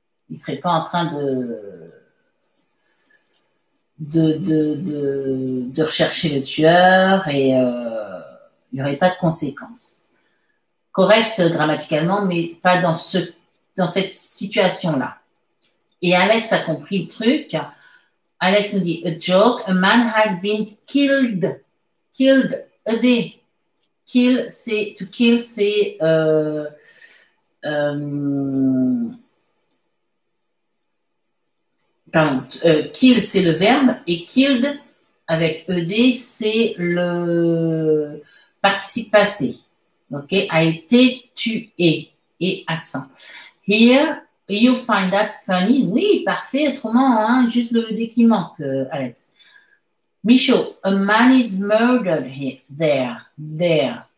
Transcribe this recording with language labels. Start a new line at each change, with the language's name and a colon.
French: Il ne serait pas en train de rechercher le tueur et il n'y aurait pas de conséquences. Correct grammaticalement, mais pas dans ce, dans cette situation-là. Et Alex a compris le truc. Alex nous dit,
English: a joke, a man has been killed. Killed a day.
French: Kill, c'est, to kill, c'est, kill, c'est le verbe, et killed, avec ed, c'est le participe passé. Ok, a été tué, et accent.
English: Here, you find that funny.
French: Oui, parfait, autrement, hein, juste le ed qui manque, Alex.
English: Michaud, a man is murdered here, there, there.